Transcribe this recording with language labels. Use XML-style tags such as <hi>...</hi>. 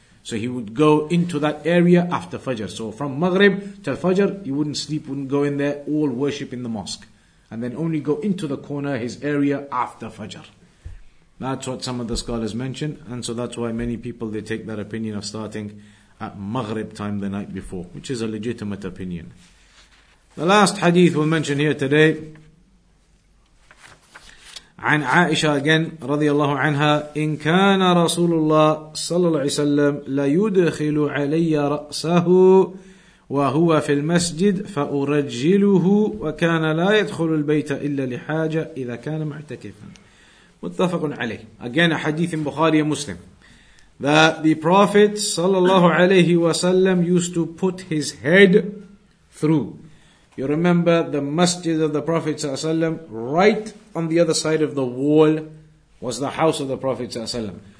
<en>So he would go into that area after Fajr. So from Maghrib till Fajr, he wouldn't sleep, wouldn't go in there, all worship in the mosque. And then only go into the corner, his area, after Fajr. That's what some of the scholars mention, and so that's why many people, they take that opinion of starting at Maghrib time the night before, which is a legitimate opinion. The last hadith we'll mention here today,</en> <ar>عن عائشة again, رضي الله عنها, إن كان رسول الله صلى الله عليه وسلم ليدخل علي رأسه وهو في المسجد فأرجله وكان لا يدخل البيت إلا لحاجة إذا كان معتكفا. متفق عليه.</ar> <en>Again, a hadith in Bukhari and Muslim. That the Prophet صلى الله عليه وسلم used to put his head through. You remember the masjid of the Prophet ﷺ, right on the other side of the wall was the house of the Prophet ﷺ.</en>